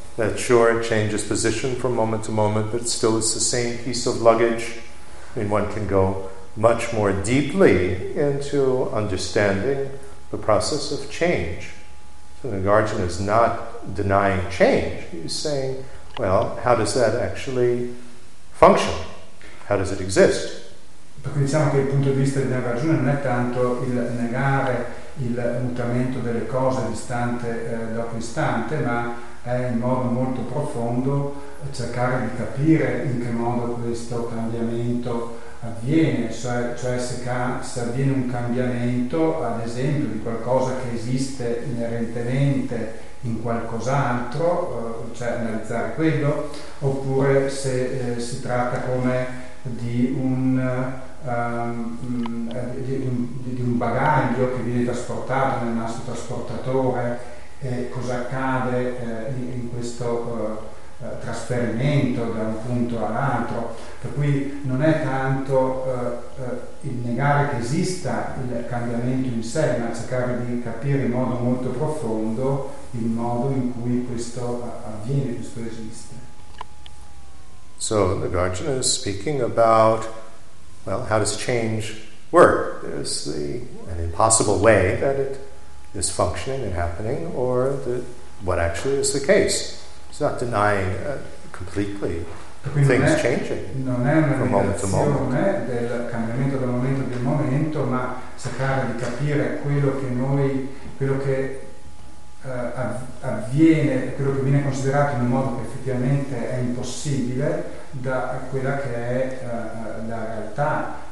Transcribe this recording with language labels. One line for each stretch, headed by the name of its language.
English: That sure, it changes position from moment to moment, but still it's the same piece of luggage. I mean, one can go much more deeply into understanding the process of change. So Nagarjuna is not denying change. He's saying, well, how does that actually function? How does it exist?
Italian: Perché diciamo che il punto di vista di Nagarjuna non è tanto il negare il mutamento delle cose istante dopo istante, ma è in modo molto profondo cercare di capire in che modo questo cambiamento avviene, cioè se avviene un cambiamento, ad esempio, di qualcosa che esiste inerentemente in qualcos'altro, cioè analizzare quello, oppure se si tratta come di un bagaglio che viene trasportato nel nastro trasportatore. E cosa accade in questo trasferimento da un punto all'altro, per cui non è tanto il negare che esista il cambiamento in sé, ma cercare di capire in modo molto profondo il modo in cui questo avviene, questo esiste.
English: So Nagarjuna is speaking about, well, how does change work? There's an impossible way that it is functioning and happening, or what actually is the case. It's not denying completely things changing from moment to moment.
Italian: Non è del cambiamento dal momento del momento, ma cercare di capire quello che avviene, quello che viene considerato in un modo che effettivamente è impossibile da quella che è la realtà.